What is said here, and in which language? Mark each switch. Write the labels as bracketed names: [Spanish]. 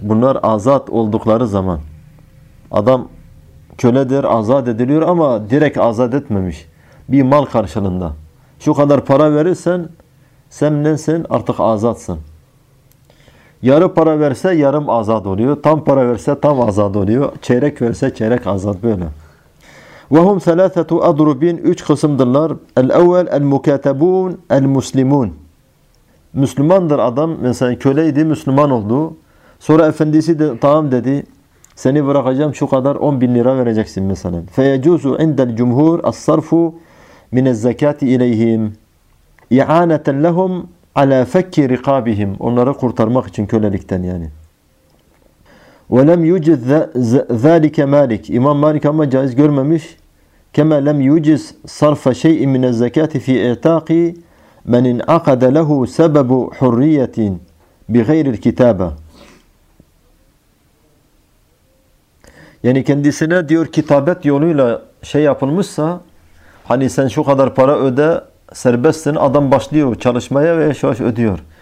[Turkish] Bunlar azat oldukları zaman. Adam köledir, azat ediliyor ama direkt azat etmemiş. Bir mal karşılığında. Şu kadar para verirsen sen nesin? Artık azatsın. Yarı para verse yarım azat oluyor. Tam para verse tam azat oluyor. Çeyrek verse çeyrek azat böyle. [Arabic] وَهُمْ ثَلَاثَةُ اَضْرُب۪ينَ [Turkish] Üç kısımdırlar. [Arabic] الْاَوَّلْ الْمُكَاتَبُونَ الْمُسْلِمُونَ [Turkish] Müslümandır adam. Mesela köleydi, Müslüman oldu. Sonra efendisi de tamam dedi. Seni bırakacağım şu kadar 10 bin lira vereceksin mesela. [Arabic] فَيَجُوزُ عِنْدَ الْجُمْهُورِ الصَّرْفُ مِنَ الزَّكَاتِ اِلَيْهِمْ اِعَانَةً لَهُمْ عَلَى فَكِّ رِقَابِهِمْ [Turkish] Onları kurtarmak için kölelikten yani. [Arabic] وَلَمْ يُجِزْ ذَٰلِكَ مَالِكَ [Turkish] İmam Malik ama caiz görmemiş. [Arabic] كَمَا لَمْ يُجِزْ صَرْفَ شَيْءٍ مِنَ الزَّكَاتِ فِي اِعْتَاقِ مَنْ اِنْعَقَدَ لَهُ سَبَبُ حُرِّيَّةٍ بِغَيْرِ الْكِتَابَةِ [Turkish] Yani kendisine diyor kitabet yoluyla şey yapılmışsa, hani sen şu kadar para öde, serbestsin, adam başlıyor çalışmaya ve yavaş ödüyor.